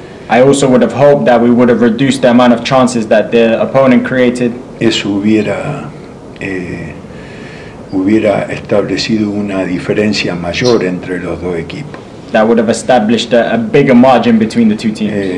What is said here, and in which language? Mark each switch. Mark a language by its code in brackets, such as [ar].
[en] I also would have hoped that we would have reduced the amount of chances that the opponent created. [es] Eso hubiera establecido una diferencia mayor entre los dos equipos. [en] That would have established a bigger margin between the two teams.